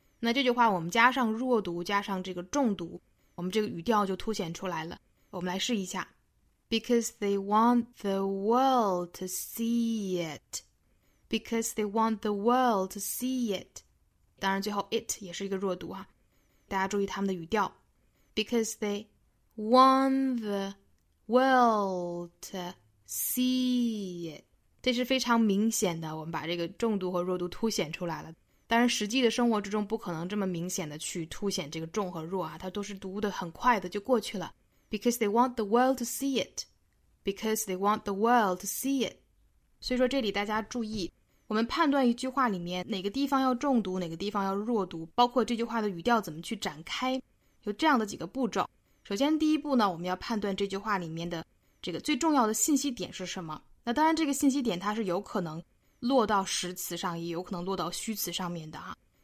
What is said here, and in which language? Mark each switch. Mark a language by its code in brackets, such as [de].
[zh] 那这句话我们加上弱读加上这个重读，我们这个语调就凸显出来了。我们来试一下。 [en] Because they want the world to see it. Because they want the world to see it. [zh] 当然最后 it 也是一个弱读啊，大家注意他们的语调。 [en] Because they want the world to see it. [zh] 这是非常明显的，我们把这个重读和弱读凸显出来了。当然实际的生活之中不可能这么明显的去凸显这个重和弱啊，它都是读的很快的就过去了。 [en] Because they want the world to see it. Because they want the world to see it. [zh] 所以说这里大家注意，我们判断一句话里面哪个地方要重读，哪个地方要弱读，包括这句话的语调怎么去展开，有这样的几个步骤。首先第一步呢，我们要判断这句话里面的这个最重要的信息点是什么。那当然这个信息点它是有可能落到实词上，也有可能落到虚词上面的啊。